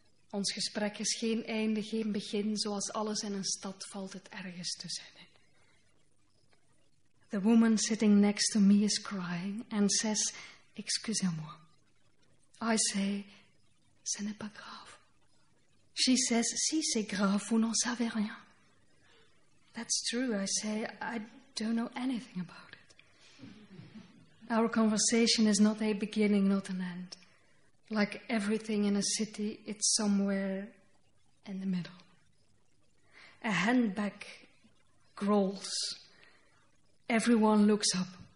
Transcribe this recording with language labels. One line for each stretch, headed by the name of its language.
Dutch: Ons gesprek is geen einde, geen begin. Zoals alles in een stad valt het ergens tussenin.
English: The woman sitting next to me is crying and says,
French: excusez-moi.
English: I say,
French: ce n'est pas grave.
English: She says,
French: si, c'est grave, vous n'en savez rien.
English: That's true, I say, I don't know anything about it. Our conversation is not a beginning, not an end. Like everything in a city, it's somewhere in the middle. A handbag growls. Everyone looks up.